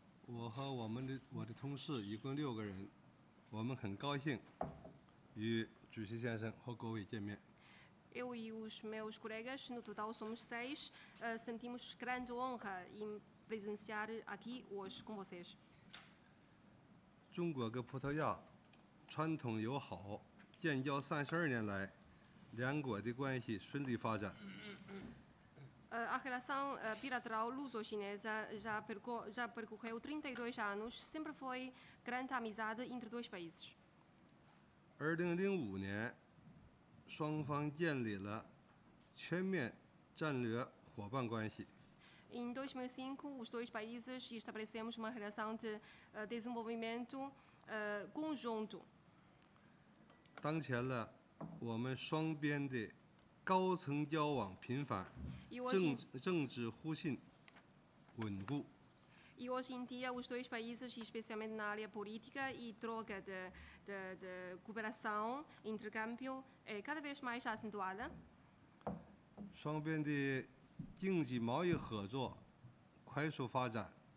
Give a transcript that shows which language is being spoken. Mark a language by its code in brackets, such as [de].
[zh] 我和我们的我的同事一共六个人，我们很高兴与主席先生和各位见面。 [pt] Eu e os meus colegas, no total somos seis, sentimos grande honra em presenciar aqui hoje com vocês. [zh] 中国跟葡萄牙传统友好，建交32年来，两国的关系顺利发展。 [pt] A relação bilateral luso-chinesa já percorreu 32 anos, sempre foi grande amizade entre dois países. [zh] 2005年，双方建立了全面战略伙伴关系。 [pt] Em 2005, os dois países estabelecemos uma relação de desenvolvimento conjunto. [zh] 当前呢，我们双边的高层交往频繁，政治互信稳固。 [pt] E hoje em dia, os dois países, especialmente na área política e troca de cooperação, intercâmbio, é cada vez mais acentuada. [zh] 双边的经济贸易合作快速发展。